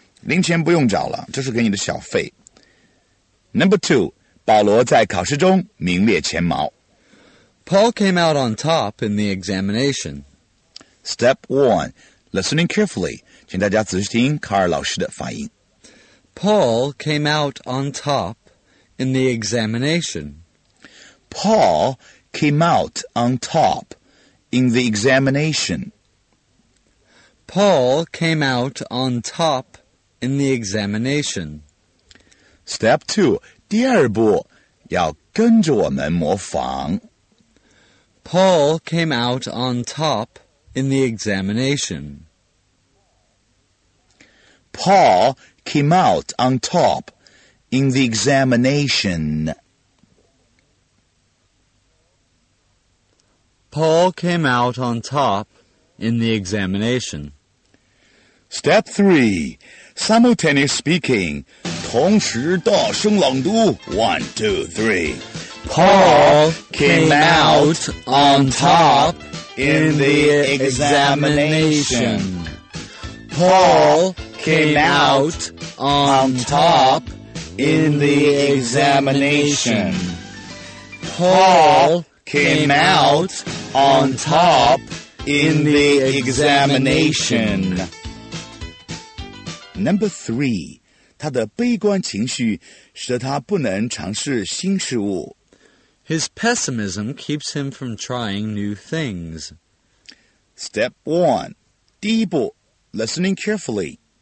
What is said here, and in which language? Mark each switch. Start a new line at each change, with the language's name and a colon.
Chinese: 零钱不用找了这是给你的小费。
English: Number two,
Chinese: 保罗在考试中名列前茅。
English: Paul came out on top in the examination. Step 1. Listening carefully.
Chinese: 请大家仔细听卡尔老师的发音。
English: Paul came out on top in the examination. Paul came out on top in the examination. Paul came out on top in the examination. Step 2.
Chinese: 第二步要跟着我们模仿。
English: Paul came out on top. In the examination. Paul came out on top in the examination. Paul came out on top in the examination. Step 3. simultaneous speaking.
Chinese: 同时大声朗读
English: One, two, three. Paul came out on top in the examination. Paul came out on top in the examination. Paul came out on top in the examination. Number three.
Chinese: 他的悲观情绪使得他不能尝试新事物。
English: His pessimism keeps him from trying new things. Step 1.
Chinese: 第一步,
English: listening carefully.